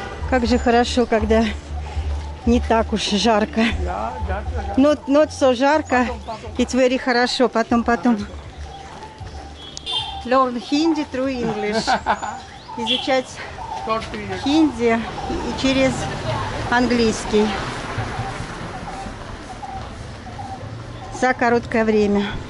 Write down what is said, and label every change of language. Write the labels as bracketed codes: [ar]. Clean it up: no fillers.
[ru] Как же хорошо, когда не так уж жарко. [en] Not so жарко. It's very хорошо. [ru] Потом. [en] Learn Hindi through English. [ru] Изучать хинди и через английский. За короткое время.